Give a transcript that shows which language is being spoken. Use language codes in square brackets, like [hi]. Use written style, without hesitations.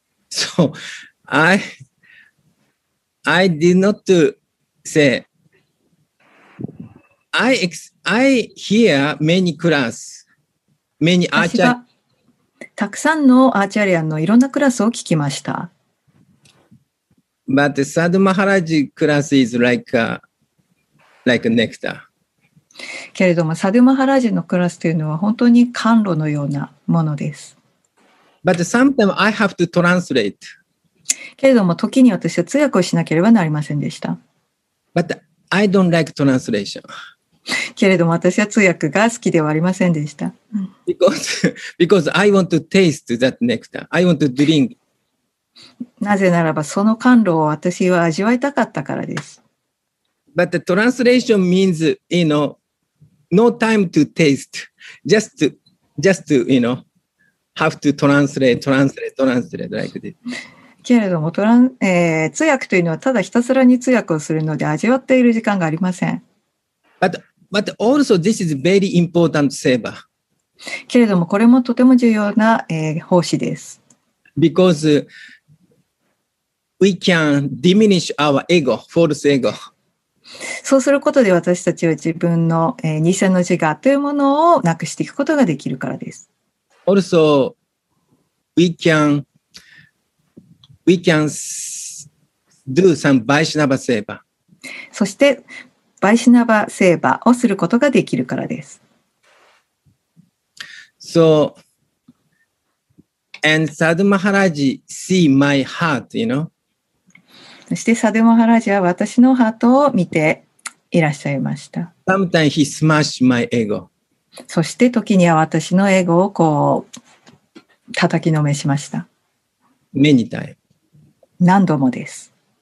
[en] So, I did not say, I hear many class, many archer. [ja] たくさんのアーチャリアンのいろんなクラスを聞きました。 [en] But Sadhu Maharaj class is like a nectar. [ja] けれども、Sadhu Maharaj のクラスというのは本当に甘露のようなものです。 [en] But sometimes I have to translate. [ja] けれども、時に私は通訳をしなければなりませんでした。 [en] But I don't like translation. [ja] けれども私は通訳が好きではありませんでした。 [en] Because I want to taste that nectar. I want to drink. [ja] なぜならばその甘露を私は味わいたかったからです。 [en] But the translation means, you know, no time to taste. Just to, you know, have to translate like this. [ja] けれども通訳というのはただひたすらに通訳をするので味わっている時間がありません。 [en] But also this is very important seva. [ja] けれどもこれもとても重要な、奉仕です。 [en] Because we can diminish our ego, false ego. [ja] そうすることで私たちは自分の、偽の自我というものをなくしていくことができるからです。 [en] Also we can do some Vaishnava seva. [ja] そしてバイシナバセーバをすることができるからです。 [en] So, and Sadhu Maharaj see my heart, you know? [ja] そしてサドゥマハラジは私のハートを見ていらっしゃいました。 [en] Sometimes he smash my ego. [ja] そして時には私のエゴをこう叩きのめしました。 [en] Many times. [ja] 何度もです。